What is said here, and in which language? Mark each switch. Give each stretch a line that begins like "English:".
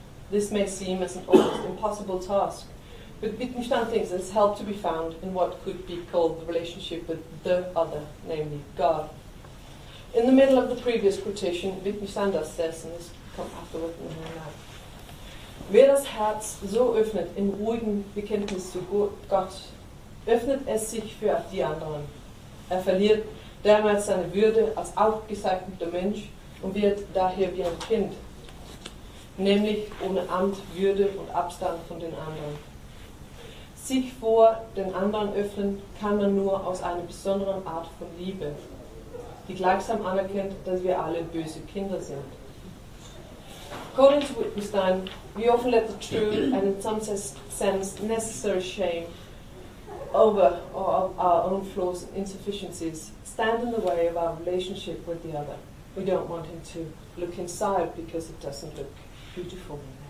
English: This may seem as an almost impossible task, but Wittgenstein thinks there's help to be found in what could be called the relationship with the other, namely God. In the middle of the previous quotation, Wittgenstein does this, and this comes afterward in a moment.
German: Wer das Herz so öffnet im ruhigen Bekenntnis zu Gott, öffnet es sich für die anderen. Er verliert damals seine Würde als aufgezeichneter Mensch und wird daher wie ein Kind, nämlich ohne Amt, Würde und Abstand von den anderen. Sich vor den anderen öffnen kann man nur aus einer besonderen Art von Liebe, die gleichsam anerkennt, dass wir alle böse Kinder sind.
English: According to Wittgenstein, we often let the true and in some sense necessary shame over or of our own flaws and insufficiencies stand in the way of our relationship with the other. We don't want him to look inside because it doesn't look beautiful.